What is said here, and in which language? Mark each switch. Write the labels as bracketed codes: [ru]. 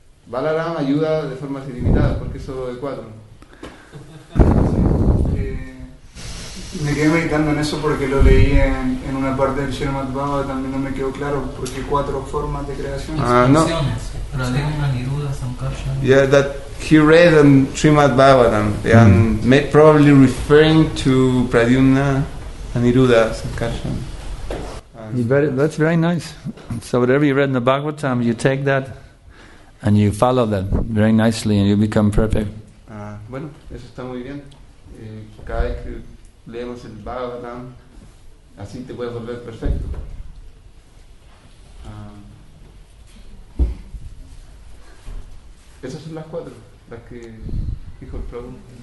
[es] Balaram ayuda de formas ilimitadas porque solo de cuatro. Me quedé meditando en eso porque lo leí en una parte del Shrimad Bhagavatam, también no me quedó claro porque cuatro formas de creación. No. [en] Yeah, that he read on Shrimad Bhagavatam and may probably referring to Pradyumna, Aniruddha, Sankarshan. That's very nice. So whatever you read in the Bhagavatam, you take that and you follow that very nicely and you become perfect. [es] Bueno, eso está muy bien. Cada vez que leemos el Bhagavatam, así te puedes volver perfecto. Esas son las cuatro, las que dijo el Prabhu.